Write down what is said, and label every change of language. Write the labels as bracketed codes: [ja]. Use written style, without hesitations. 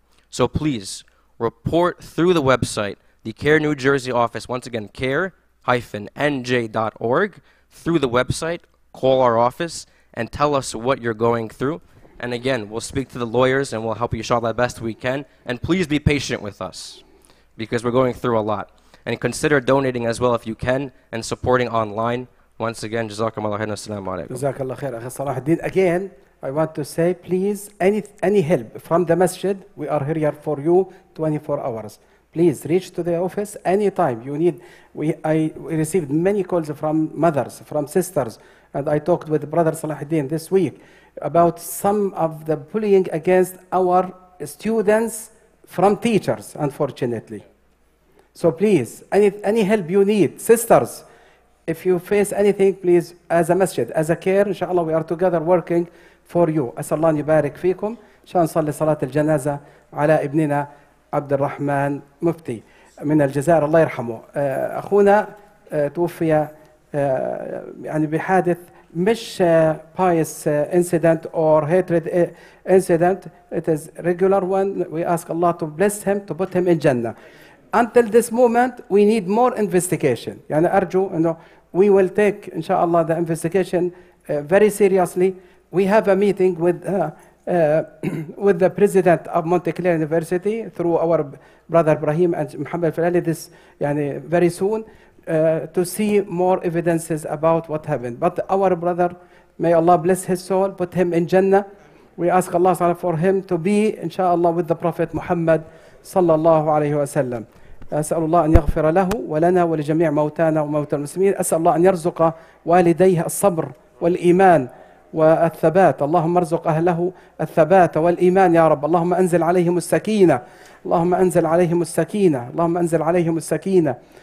[en] So please, report through the website, the Care New Jersey office, once again, care-nj.org, through the website, call our office, and tell us what you're going through. And again, we'll speak to the lawyers and we'll help you shout the best we can. And please be patient with us because we're going through a lot. And consider donating as well if you can and supporting online. Once again, [ar] جزاكم الله خير والسلام عليكم. جزاك الله خير أخي صلاح الدين. [en] Again, I want to say, please, any help from the masjid, we are here for you 24 hours. Please reach to the office anytime you need. We received many calls from mothers, from sisters, and I talked with Brother Salah al-Din this week about some of the bullying against our students from teachers, unfortunately. So please, any help you need, sisters, if you face anything, please, as a masjid, as a care, inshallah, we are together working for you. [ar] أسأل الله أن يبارك فيكم عشان صلي صلاة الجنازة على ابننا عبد الرحمن مفتي من الجزائر الله يرحمه. أخونا توفي يعني بحادث مش [en] pious incident or hatred incident. It is regular one. We ask Allah to bless him, to put him in Jannah. Until this moment, we need more investigation. [ar] يعني أرجو أنه [en] we will take, inshallah, the investigation very seriously. We have a meeting with the president of Monte Clair University through our brother Ibrahim and Muhammad Falali this يعني, very soon to see more evidences about what happened. But our brother, may Allah bless his soul, put him in Jannah. We ask Allah for him to be, inshallah, with the Prophet Muhammad sallallahu alayhi wa sallam. [ar] أسأل الله أن يغفر له ولنا ولجميع موتانا وموتى المسلمين. أسأل الله أن يرزق والديه الصبر والإيمان والثبات. اللهم ارزق أهله الثبات والإيمان يا رب. اللهم أنزل عليهم السكينة. اللهم أنزل عليهم السكينة. اللهم أنزل عليهم السكينة.